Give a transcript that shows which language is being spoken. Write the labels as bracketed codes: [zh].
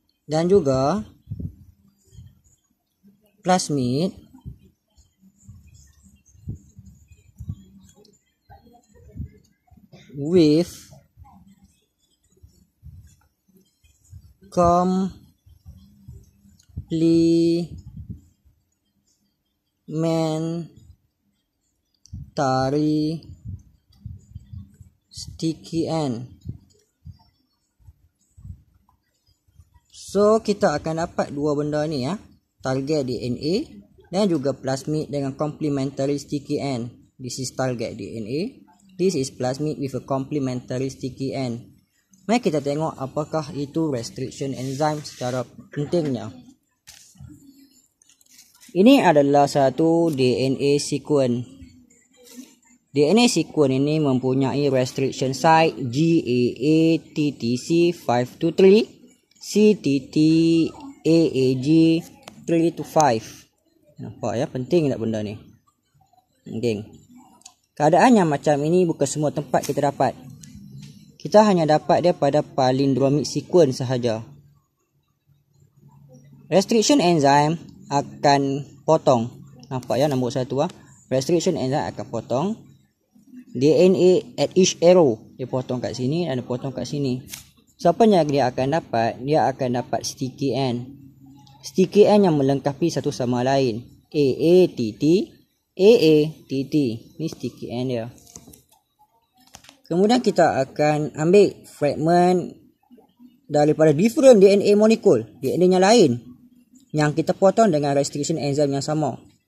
[ms] dan juga [en] plasmid with complementary sticky end. [ms] So kita akan dapat dua benda ni ya, target DNA dan juga plasmid dengan complementary sticky end. [en] This is target DNA, this is plasmid with a complementary sticky end. [ms] Mari kita tengok apakah itu restriction enzyme secara pentingnya. Ini adalah satu DNA sequence. DNA sequence ini mempunyai restriction site GAATTC523, CTTAAG325. Nampak ya, penting tak benda ni? Penting. Keadaan yang macam ini bukan semua tempat kita dapat. Kita hanya dapat dia pada palindromic sequence sahaja. Restriction enzyme akan potong. Nampak ya nombor satu ah. Restriction enzyme akan potong DNA [en] at each arrow. [ms] Dia potong kat sini dan dia potong kat sini. Siapa yang dia akan dapat? Dia akan dapat sticky end. Sticky end yang melengkapi satu sama lain. AATT, AATT. Ini sticky end dia. Kemudian kita akan ambil fragment daripada different DNA molecule, DNA yang lain yang kita potong dengan restriction enzyme yang sama.